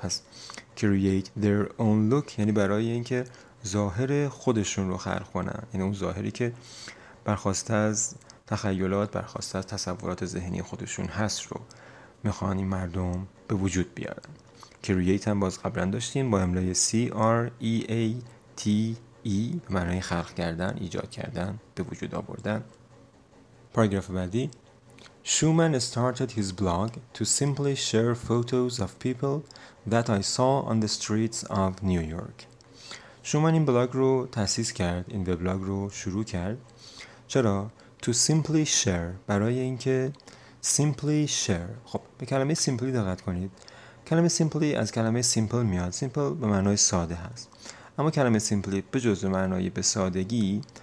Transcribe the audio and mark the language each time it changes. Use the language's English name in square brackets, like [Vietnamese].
[Persian] پس [English] create their own look [Persian] یعنی برای اینکه ظاهر خودشون رو خلق کنن، یعنی اون ظاهری که برخواسته از تخیلات، برخواسته از تصورات ذهنی خودشون هست رو میخوان این مردم به وجود بیارن. create هم باز قبلا داشتیم با املای create به معنای خلق کردن، ایجاد کردن، به وجود آوردن. پاراگراف بعدی [English] Schumann started his blog to simply share photos of people that I saw on the streets of New York. [Persian] Schumann این بلاگ رو تأسیس کرد، این وبلاگ رو شروع کرد. چرا؟ [English] To simply share، [Persian] برای اینکه [English] simply share. [Persian] خب به کلمه simply دقت کنید. کلمه simply از کلمه simple میاد. simple به معنای ساده هست. اما کلمه simply به جز معنای به سادگی